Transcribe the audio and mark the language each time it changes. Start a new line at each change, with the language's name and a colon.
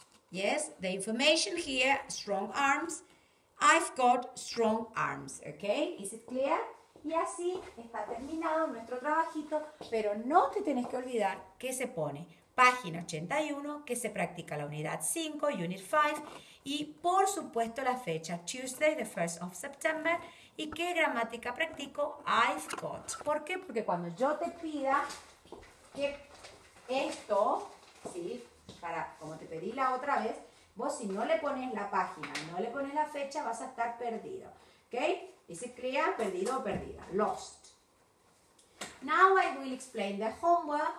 English: Yes, the information here, strong arms. I've got strong arms. Okay, is it clear?
Spanish: Y así está terminado nuestro trabajito. Pero no te tienes que olvidar que se pone página 81, que se practica la unidad 5, unit 5. Y por supuesto la fecha,
English: Tuesday, the 1st of September.
Spanish: ¿Y qué gramática practico?
English: I've got.
Spanish: ¿Por qué? Porque cuando yo te pida que esto, ¿sí? Para, como te pedí la otra vez, vos si no le pones la página, no le pones la fecha, vas a estar perdido. ¿Ok? Y se crea perdido o perdida. Lost.
English: Now I will explain the homework.